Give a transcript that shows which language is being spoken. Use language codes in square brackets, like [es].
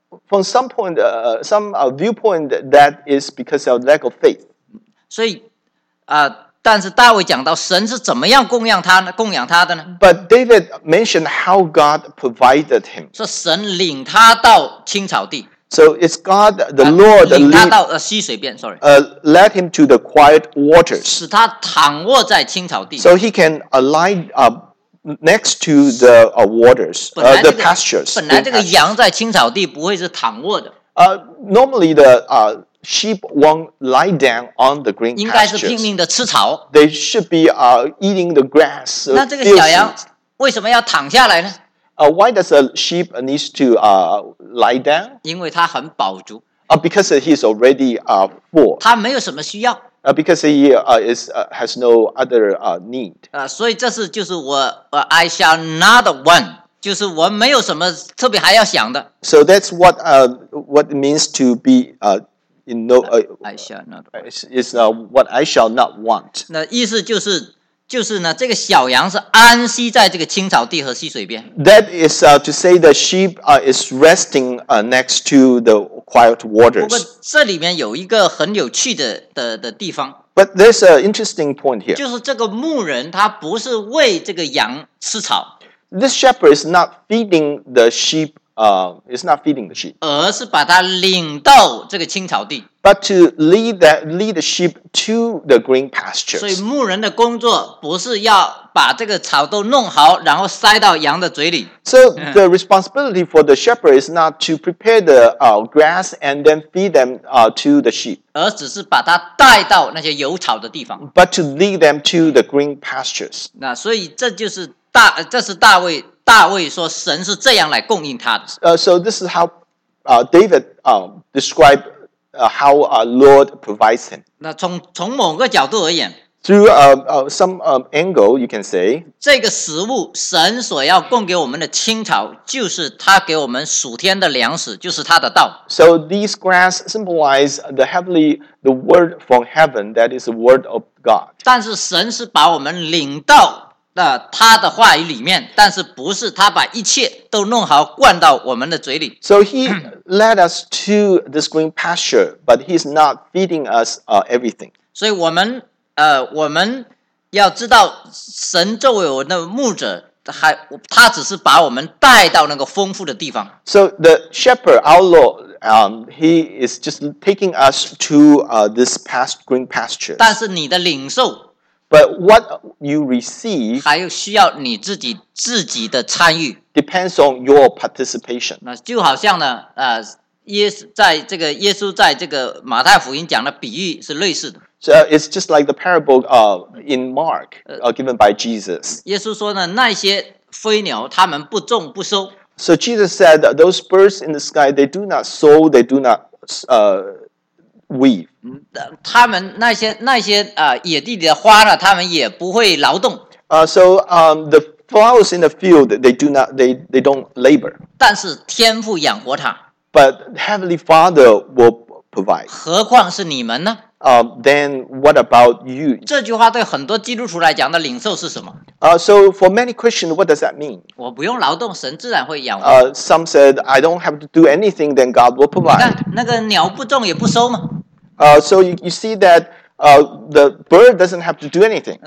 [en] From some point, viewpoint that is because of lack of faith. [zh] 所以，但是大卫讲到神是怎么样供养他呢？供养他的呢 [en] ？But David mentioned how God provided him. [zh] 说神领他到青草地。 [en] So it's God, the Lord, [zh] 领他到溪水边。 [en] Sorry. Led him to the quiet waters. [zh] 使他躺卧在青草地。 [en] So he can lie next to the waters, the pastures. [zh] 本来这个羊在青草地不会是躺卧的。 [en] Normally the Sheep won't lie down on the green pastures. [zh] 应该是拼命的吃草。 [en] They should be eating the grass. [zh] 那这个小羊为什么要躺下来呢？ [en] Why does a sheep needs to lie down? [zh] 因为它很饱足。 [en] Because he's already full. [zh] 它没有什么需要。 [en] Because he has no other need. [zh] 所以这是就是我 [en] I shall not want. [zh] 就是我没有什么特别还要想的。 [en] So that's what it means to be in no, I shall not want. It's what I shall not want. [zh] 那意思就是就是呢，这个小羊是安息在这个青草地和溪水边。 [en] That is to say the sheep is resting next to the quiet waters. [zh] 不过这里面有一个很有趣的地方。 [en] But there's an interesting point here. [zh] 就是这个牧人他不是为这个羊吃草。 [en] This shepherd is not feeding the sheep. Is not feeding the sheep. [zh] 而是把它领到这个青草地。 [en] But to lead the sheep to the green pastures. [zh] 所以牧人的工作不是要把这个草都弄好，然后塞到羊的嘴里。 [en] So the responsibility for the shepherd is not to prepare the grass and then feed them to the sheep. [zh] 而只是把它带到那些有草的地方。 [en] But to lead them to the green pastures. [zh] 那所以这就是大，这是大卫。大卫说神是这样来供应他的。 [en] So this is how David described how our Lord provides him. [zh] 那从某个角度而言， [en] through some angle you can say, [zh] 这个食物神所要供给我们的青草就是他给我们属天的粮食，就是他的道。 [en] So these grass symbolize the heavenly, the word from heaven that is the word of God. [zh] 但是神是把我们领到他的话语里面，但是不是他把一切都弄好灌到我们的嘴里。 [en] So he led us to this green pasture, but he's not feeding us everything. [zh] 所以我们要知道神作为我的牧者，他只是把我们带到那个丰富的地方。 [en] So the shepherd, our Lord, he is just taking us to this past green pasture. [zh] 但是你的领受， [en] But what you receive [zh] 还有需要你自己的参与 [en] depends on your participation. [zh] 那就好像呢，耶稣在这个马太福音讲的比喻是类似的。 [en] So it's just like the parable in Mark given by Jesus. [zh] 耶稣说呢，那些飞鸟他们不种不收。 [en] So Jesus said that those birds in the sky they do not sow, they do not weave. [zh] 他们那些野地里的花呢，他们也不会劳动。 [en] The flowers in the field, they don't labor. [zh] 但是天父养活他。 [en] But Heavenly Father will provide. [zh] 何况是你们呢？ [en] Then what about you? [zh] 这句话对很多基督徒来讲的领受是什么？ [en] So for many Christians, what does that mean? [zh] 我不用劳动，神自然会养我。 [en] Some said, I don't have to do anything, then God will provide. [zh] 那个鸟不种也不收吗？ [en] So you see that the bird doesn't have to do anything.